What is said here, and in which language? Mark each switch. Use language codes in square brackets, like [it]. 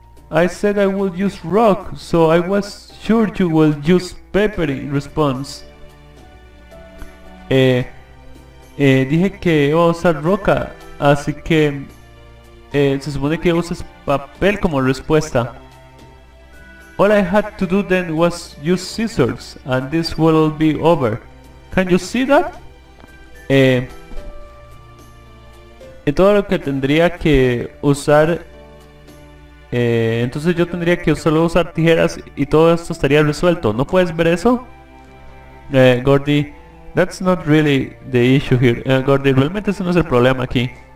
[en] I said I would use rock, so I was sure you would use paper in response. [es] Dije que iba a usar roca, así que se supone que uses papel como respuesta. [en] All I had to do then was use scissors, and this would all be over. Can you see that? [es] Todo lo que tendría que usar, entonces yo tendría que solo usar tijeras y todo esto estaría resuelto. ¿No puedes ver eso? Gordy, [en] that's not really the issue here. [es] Gordy, realmente ese no es el problema aquí.